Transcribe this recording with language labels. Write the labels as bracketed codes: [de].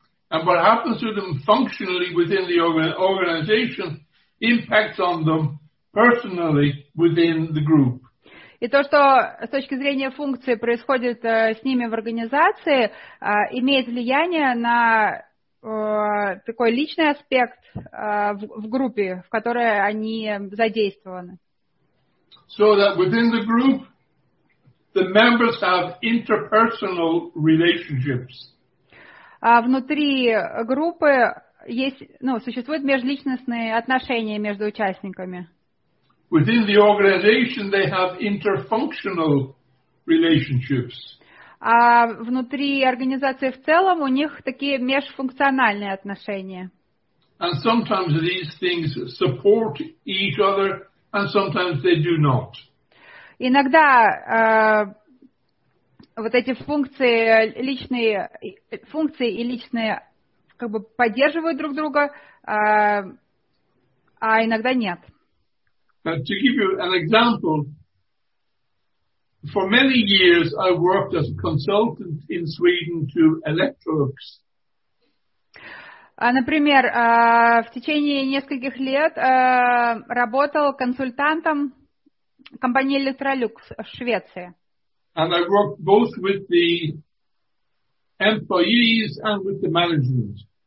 [en] And what happens to them functionally within the organization impacts on them personally within the group. [ru] И то, что с точки зрения функции происходит с ними в организации, имеет влияние на такой личный аспект в группе, в которой они задействованы. [en] So that within the group the members have interpersonal relationships. [ru] Внутри группы существуют межличностные отношения между участниками. [en] Within the organization they have interfunctional relationships. [ru] А внутри организации в целом у них такие межфункциональные отношения. [en] And sometimes these things support each other, and sometimes they do not. [ru] Иногда вот эти функции личные функции и личные как бы поддерживают друг друга, а иногда нет. [en] And to give you an example, for many years, I worked as a consultant in Sweden to Electrolux. [ru] Например, в течение нескольких лет работал консультантом компании Electrolux в Швеции. [en] And I worked both with the employees and with the management.